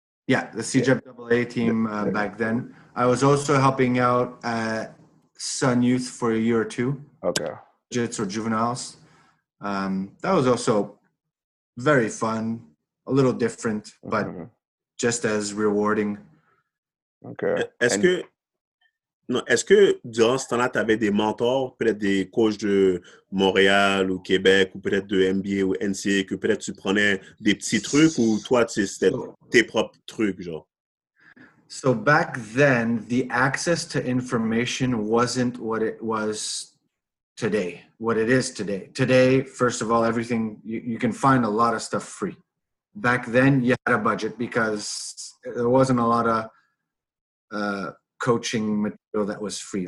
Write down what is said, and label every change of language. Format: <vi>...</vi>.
<en>Yeah, the CJEP AA team back then. I was also helping out Sun Youth for a year or two. Okay. Jits or juveniles. That was also very fun, a little different, but just as rewarding. Okay.</en> <fr>Est-ce que durant ce temps-là, tu avais des mentors, peut-être des coachs de Montréal ou Québec, ou peut-être de NBA ou NCAA, que peut-être tu prenais des petits trucs, ou toi, c'était tes propres trucs, genre?</fr> <en>So back then, the access to information wasn't what it was today, what it is today. Today, first of all, everything, you can find a lot of stuff free. Back then, you had a budget because there wasn't a lot of coaching material that was free.</en>